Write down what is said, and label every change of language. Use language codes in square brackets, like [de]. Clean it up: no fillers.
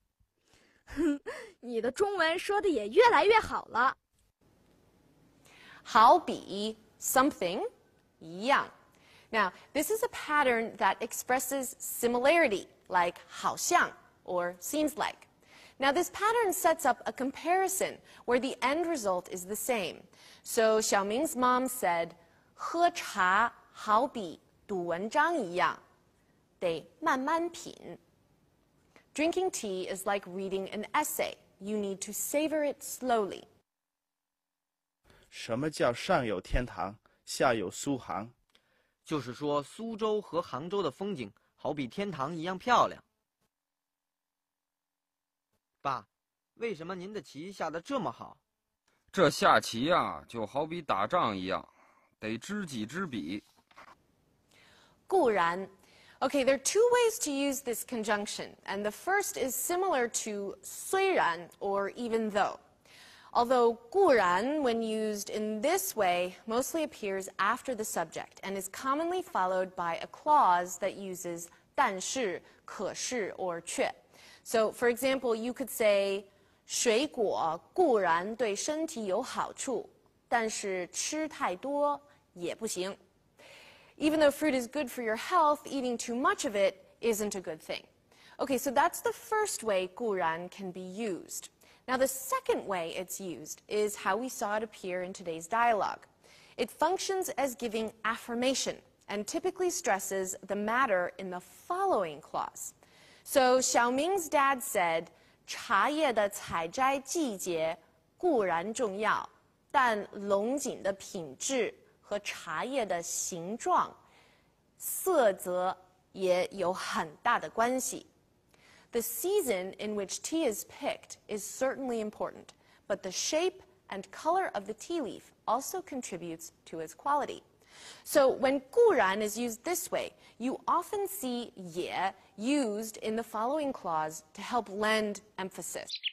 [zh] 自从来到中国后，我越来越喜欢学汉语了。你的中文说的也越来越好了。好比 [en] something 一样. Now, this is a pattern that expresses similarity, like 好像 or seems like. Now, this pattern sets up a comparison where the end result is the same. So, Xiaoming's mom said, [zh] 喝茶好比读文章一样, 得慢慢品. [en] Drinking tea is like reading an essay. You need to savor it slowly. [zh] 什么叫上有天堂,下有苏杭? 就是说苏州和杭州的风景好比天堂一样漂亮。爸，为什么您的棋下得这么好？这下棋啊，就好比打仗一样，得知己知彼。固然。 [en] Okay, there are two ways to use this conjunction, and the first is similar to 虽然 or even though. Although 固然, when used in this way, mostly appears after the subject and is commonly followed by a clause that uses 但是, 可是, or 却. So, for example, you could say, [zh] 水果固然对身体有好处,但是吃太多也不行. [en] Even though fruit is good for your health, eating too much of it isn't a good thing. Okay, so that's the first way 固然 can be used. Now, the second way it's used is how we saw it appear in today's dialogue. It functions as giving affirmation and typically stresses the matter in the following clause. So, Xiaoming's dad said, [zh] 茶叶的采摘季节固然重要,但龙井的品质和茶叶的形状、色泽也有很大的关系. [en] The season in which tea is picked is certainly important, but the shape and color of the tea leaf also contributes to its quality. So, when 固然 is used this way, you often see 也 used in the following clause to help lend emphasis.